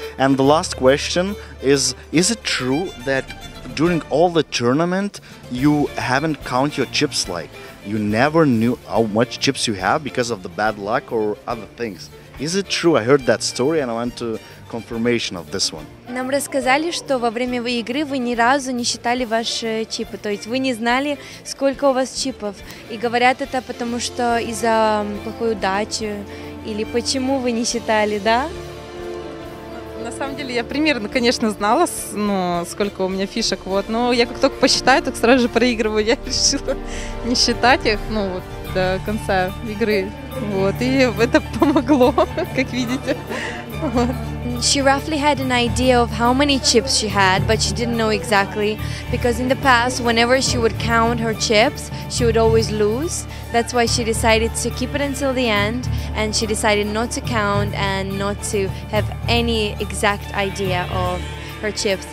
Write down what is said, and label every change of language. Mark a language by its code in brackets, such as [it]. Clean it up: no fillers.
[en] And the last question is it true that during all the tournament you haven't count your chips, like you never knew how much chips you have because of the bad luck or other things? Is it true? I heard that story and I went to confirmation of this one. [ru] Нам рассказали, что во время игры вы ни разу не считали ваши чипы, то есть вы не знали, сколько у вас чипов. И говорят это потому, что из-за плохой удачи или почему вы не считали, да? На самом деле я примерно, конечно, знала, ну, сколько у меня фишек, вот. Но я как только посчитаю, так сразу же проигрываю. Я решила не считать их, ну, вот, до конца игры. Вот, и это помогло, как видите. [en] She roughly had an idea of how many chips she had, but she didn't know exactly, because in the past, whenever she would count her chips, she would always lose. That's why she decided to keep it until the end, and she decided not to count and not to have any exact idea of her chips.